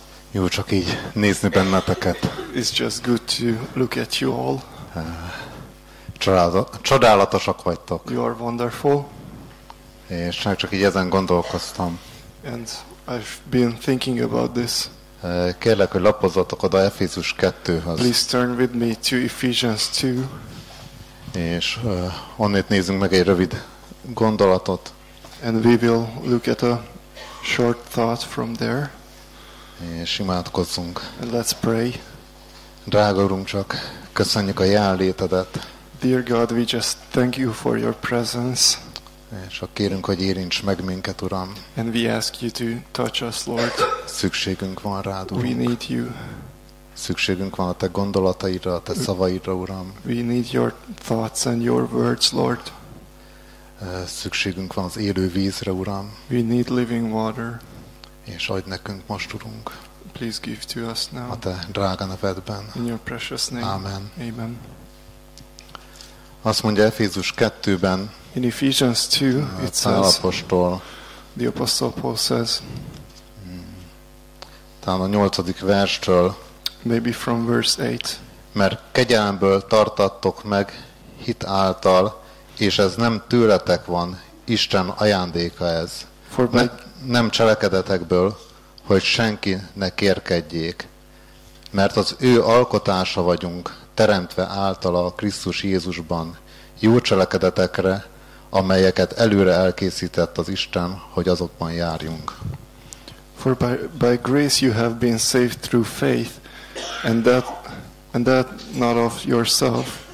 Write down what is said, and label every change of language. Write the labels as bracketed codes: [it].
[hu] Jó csak így nézni benneteket. [en] It's just good to look at you all. [hu] Csodálatosak vagytok. [en] You are wonderful. [hu] És csak így ezen gondolkoztam. [en] And I've been thinking about this. [hu] Kérlek, hogy lapozzatok oda Efézus 2-höz. [en] Please turn with me to Ephesians 2. [hu] És onnét nézzünk meg egy rövid gondolatot. [en] And we will look at a short thought from there. [hu] És imádkozzunk. [en] And let's pray. [hu] Drága Urunk, csak köszönjük a jelenlétedet. [en] Dear God, we just thank you for your presence. [hu] És akkor kérünk, hogy érints meg minket, Uram. [en] And we ask you to touch us, Lord. [hu] Szükségünk van rád, Urunk. [en] We need you. [hu] Szükségünk van a te gondolataidra, a te szavaidra, Uram. [en] We need your thoughts and your words, Lord. [hu] Szükségünk van az élő vízre, Uram. [en] We need living water. [hu] És adj nekünk most, Urunk. [en] Please give to us now. [hu] A te drága nevedben. [en] In your precious name. Amen. Amen. [hu] Azt mondja Efézus 2-ben. [en] In Ephesians 2, it says. [hu] Apostol, [en] the apostle Paul says. [hu] Talán a 8. verstől. [en] Maybe from verse 8. [hu] Mert kegyelemből tartattok meg hit által, és ez nem tőletek van, Isten ajándéka ez. Nem cselekedetekből, hogy senki ne kérkedjék. Mert az ő alkotása vagyunk, teremtve általa a Krisztus Jézusban, jó cselekedetekre, amelyeket előre elkészített az Isten, hogy azokban járjunk. [en] For by grace you have been saved through faith, and that not of yourself.